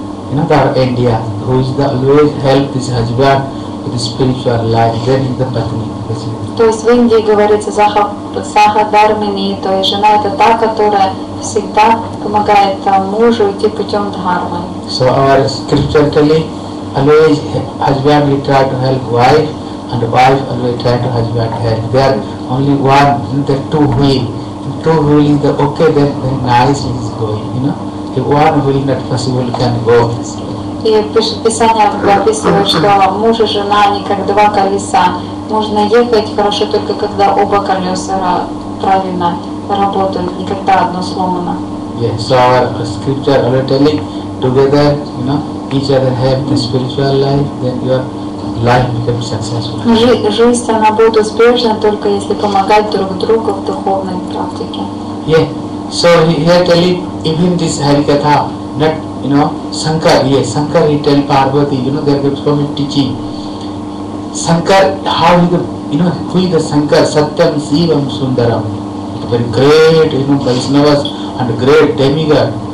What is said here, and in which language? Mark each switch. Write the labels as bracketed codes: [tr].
[en] You know, our India, who is the always help his husband with the spiritual life, then the patni. [ru] То есть в Индии говорится сахадхармини, то есть жена это та, которая всегда помогает мужу идти путем дхармы. [en] So our scripturally always husband will try to help wife, and wife always try to husband to help. They are only one, the two wheel. Two wheel is the okay, then nice is going, you know. If one wheel not possible, can go. [ru] И Писание описывает, что муж и жена, они как два колеса. Можно ехать хорошо только когда оба колеса правильно работают, не когда одно сломано. [en] Yes, so our scripture already telling, together, you know, each other have the spiritual life, then your life becomes successful. [ru] Жизнь, она будет успешна только если помогать друг другу в духовной практике. [en] Yeah, so here telling, even this Harikatha, not, you know, Shankar, yes, Shankar he tell Parvati, you know, they are coming teaching. Shankar, how he the, you know, who is the Shankar? Satyam, Sivam, Sundaram. Very great, you know, Vaishnavas and great demigod.